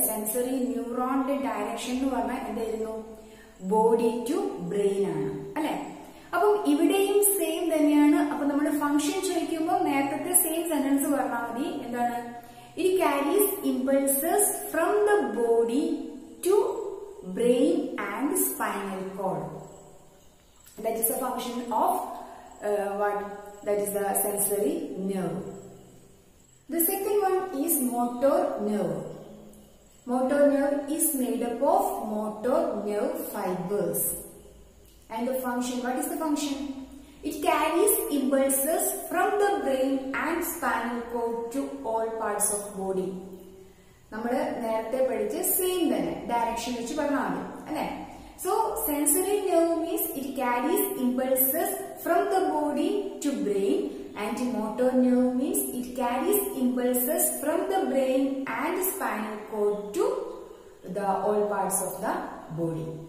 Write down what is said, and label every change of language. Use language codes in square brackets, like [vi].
[ml] Sensory ന്യൂറോണിന്റെ direction എന്ന് പറഞ്ഞാൽ എന്തായിരുന്നു? [en] body to brain [ml] ആണ് അല്ലെ. അപ്പം ഇവിടെയും സെയിം തന്നെയാണ്. അപ്പൊ നമ്മൾ ഫംഗ്ഷൻ ചോദിക്കുമ്പോൾ നേരത്തെ സെയിം സെന്റൻസ് പറഞ്ഞാൽ മതി. എന്താണ്? [en] It carries impulses from the body to brain and spinal cord. That is a function of what? That is the sensory nerve. The second one is motor nerve. Motor nerve is made up of motor nerve fibers. And the function, what is the function? It carries impulses from the brain and spinal cord to all parts of body. [ml] നമ്മള് നേരത്തെ പഠിച്ച same തന്നെ direction വെച്ച് പറഞ്ഞാൽ മതി അല്ലെ. [en] So sensory nerve means it carries impulses from the body to brain and motor nerve means it carries impulses from the brain and spinal cord to the all parts of the body.